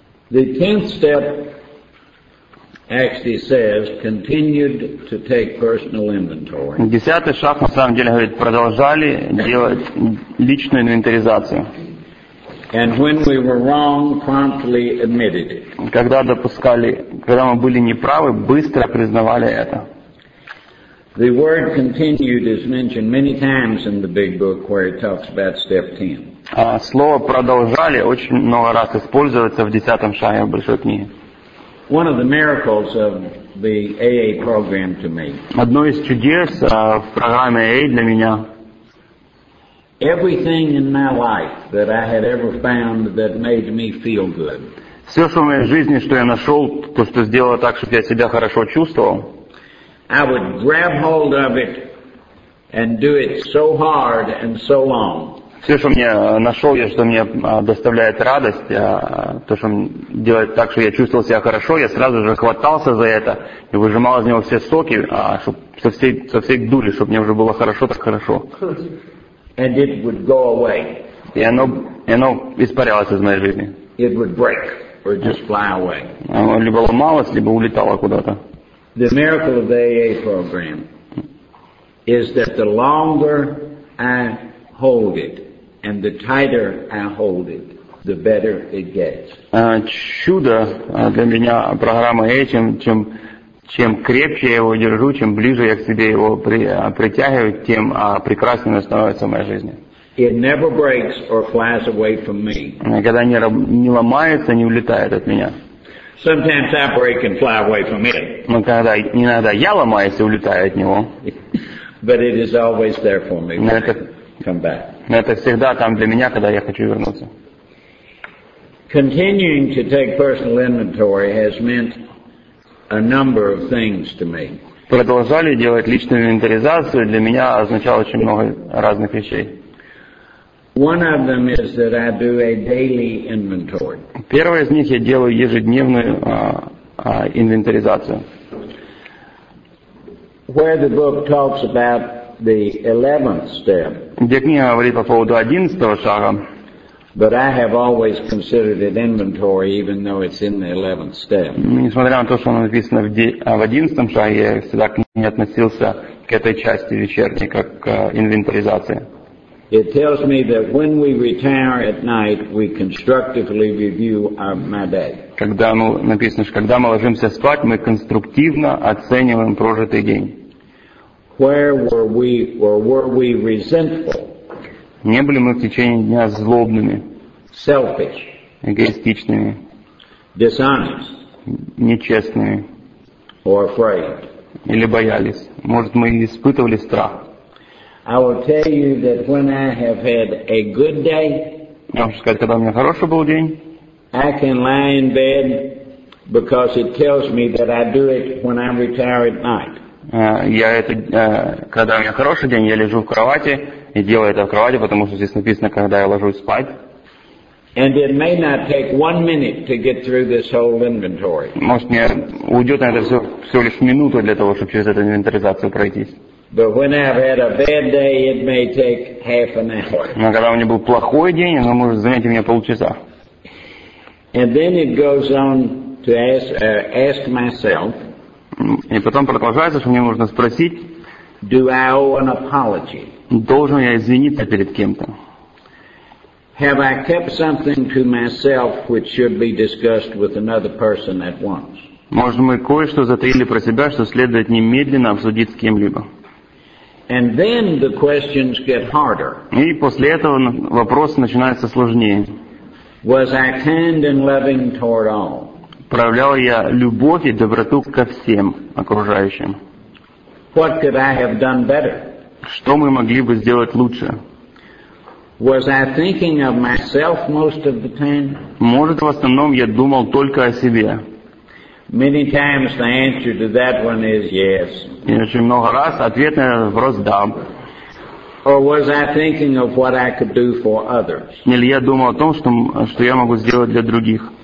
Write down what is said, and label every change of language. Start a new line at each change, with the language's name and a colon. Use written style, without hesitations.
English: The tenth step actually says continued to take personal inventory.
Russian: Десятый шаг на самом деле говорит, продолжали делать личную инвентаризацию.
English: And when we were wrong, promptly admitted it.
Russian: Когда допускали, когда мы были неправы, быстро признавали это.
English: The word continued is mentioned many times in the big book where it talks about step 10.
Russian: Слово продолжали очень много раз используется в десятом шаге в большой книге.
English: One of the miracles of the AA program to me.
Russian: Одно из чудес в программе AA для меня.
English: Everything in my life that I had ever found that made me feel good.
Russian: Все, что в моей жизни, что я нашел, то, что сделало так, чтобы я себя хорошо чувствовал.
English: I would grab hold of it and do it so hard and so long.
Russian: Все, что мне нашел, я, что мне доставляет радость, то, что делает так, что я чувствовал себя хорошо, я сразу же хватался за это и выжимал из него все соки, со всей дури, чтобы мне уже было хорошо, так хорошо.
English: And it would go away.
Russian: И оно испарялось из моей жизни.
English: It would break or just fly away.
Russian: Оно либо ломалось, либо улетало куда-то.
English: The miracle of the AA program is that the longer I hold it and the tighter I hold it, the better it gets.
Russian: Чудо для меня программа AA, чем крепче я его держу, чем ближе я к себе его притягиваю, тем прекраснее становится моя жизнь.
English: It never breaks or flies away from me.
Russian: Никогда не ломается, не улетает от меня.
English: Sometimes I break and fly away from it.
Russian: Но когда иногда я ломаюсь и улетаю от него.
English: But it is always there for me. Come back.
Russian: Это всегда там для меня, когда я хочу вернуться.
English: Continuing to take personal inventory has meant a number of things to me.
Russian: Продолжали делать личную инвентаризацию для меня означало очень много разных вещей.
English: One of them is that I do a daily inventory.
Russian: Первое из них я делаю ежедневную инвентаризацию.
English: Where the book talks about the 11th step.
Russian: Где книга говорит по поводу 11-го шага.
English: But I have always considered it inventory, even though it's in the 11th step.
Russian: Несмотря на то, что оно написано в 11-м шаге, я всегда к ней относился к этой части вечерней, как к инвентаризации.
English: It tells me that when we retire at night, we constructively review our my day.
Russian: Когда мы написано, что когда мы ложимся спать, мы конструктивно оцениваем прожитый день.
English: Where were we, or were we resentful?
Russian: Не были мы в течение дня злобными,
English: selfish,
Russian: эгоистичными,
English: dishonest,
Russian: нечестными,
English: or afraid,
Russian: или боялись. Может, мы и испытывали страх.
English: I will tell you that when I have had a good day,
Russian: я могу сказать, когда у меня хороший был день,
English: I can lie in bed because it tells me that I do it when I retire at night.
Russian: Когда у меня хороший день, я лежу в кровати и делаю это в кровати, потому что здесь написано, когда я ложусь спать.
English: And it may not take 1 minute to get through this whole inventory.
Russian: Может, мне уйдет на это всего лишь минуту для того, чтобы через эту инвентаризацию пройтись.
English: But when I've had a bad day, it may take half an hour.
Russian: Но когда у меня был плохой день, оно может занять у меня полчаса.
English: And then it goes on to ask myself.
Russian: И потом продолжается, что мне нужно спросить.
English: Do I owe an apology?
Russian: Должен я извиниться перед кем-то?
English: Have I kept something to myself which should be discussed with another person at once?
Russian: Может, мы кое-что затаили про себя, что следует немедленно обсудить с кем-либо?
English: And then the questions get harder.
Russian: И после этого вопросы начинаются сложнее.
English: Was I kind and loving toward all?
Russian: Проявлял я любовь и доброту ко всем окружающим?
English: What could I have done better?
Russian: Что мы могли бы сделать лучше?
English: Was I thinking of myself most of the time?
Russian: Может, в основном я думал только о себе?
English: Many times the answer to that one is yes.
Russian: И очень много раз ответ на этот вопрос да.
English: Or was I thinking of what I could do for others?
Russian: Или я думал о том, что я могу сделать для других?